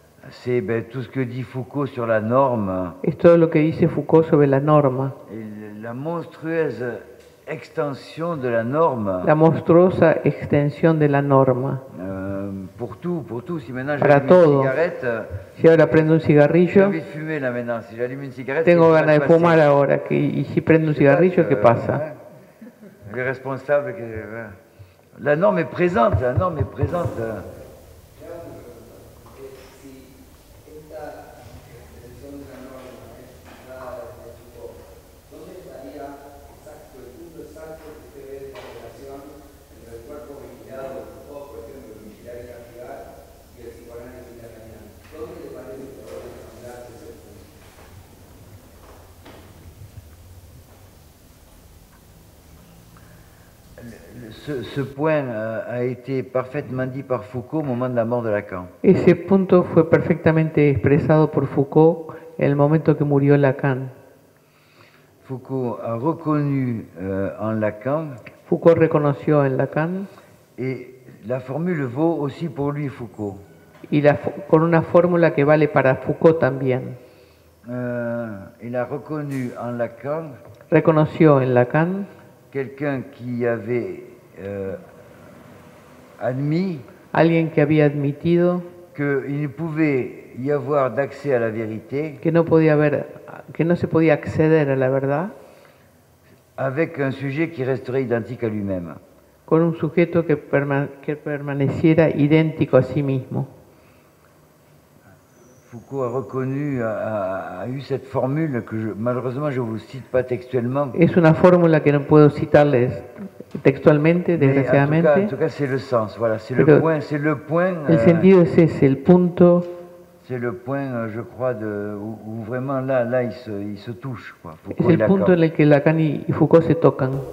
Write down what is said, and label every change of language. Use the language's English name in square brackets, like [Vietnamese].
[French] C'est tout ce que dit Foucault sur la norme. [Spanish] Es todo lo que dice Foucault sobre la norma. [French] La monstrueuse extension de la norme. [Spanish] La monstruosa extensión de la norma. [French] Pour tout. Si maintenant j'allume une cigarette. [Spanish] Si ahora prendo un cigarrillo. [French] J'ai envie de fumer là maintenant. Si j'allume une cigarette. [Spanish] Tengo ganas de fumar ahora. Y si prendo un cigarrillo, ¿qué pasa? [French] Les responsables. La norme est présente. La norme est présente. Ce point a été parfaitement dit par Foucault au moment de la mort de Lacan. [Spanish] Ese punto fue perfectamente expresado por Foucault en el momento que murió Lacan. [French] Foucault a reconnu en Lacan. [Spanish] Foucault reconoció en Lacan. [French] Et la formule vaut aussi pour lui, Foucault. [Spanish] Y la con una fórmula que vale para Foucault también. [French] Il a reconnu en Lacan. [Spanish] Reconoció en Lacan. [French] Quelqu'un qui avait admis [Spanish] alguien que había admitido [French] que il pouvait y avoir d'accès à la vérité [Spanish] que no se podía acceder a la verdad [French] avec un sujet qui resterait identique à lui-même [Spanish] con un sujeto que permaneciera idéntico a sí mismo. [French] Foucault a reconnu a eu cette formule que malheureusement je vous cite pas textuellement. [Spanish] Es una fórmula que no puedo citarles textualmente, desgraciadamente. [French] En tout cas, c'est le sens. Voilà, c'est le point. C'est le point. [Spanish] El sentido es ese, el punto. [French] C'est le point, je crois, de où vraiment là il se touche. Quoi, [Spanish] es el punto en el que Lacan y Foucault se tocan.